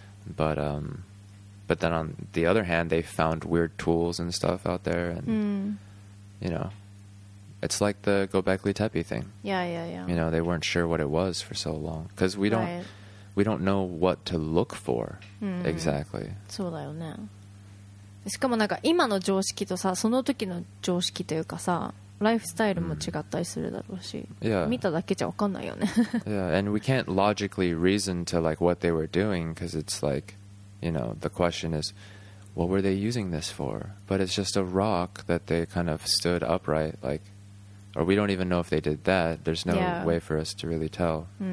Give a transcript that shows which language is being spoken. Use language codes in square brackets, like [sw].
[en] But then on the other hand, they found weird tools and stuff out there. And, you know, it's like the Göbekli Tepe thing. Yeah, yeah, yeah. You know, they weren't sure what it was for so long. Because we don't... Right. We don't know what to look for exactly. [ja] そうだよね。しかもなんか今の常識とさ、その時の常識というかさ、ライフスタイルも違ったりするだろうし、見ただけじゃ分かんないよね。 [en] Yeah, and we can't logically reason to like what they were doing because it's like, you know, the question is, what were they using this for? But it's just a rock that they kind of stood upright like. Or we don't even know if they did that. There's no way for us to really tell.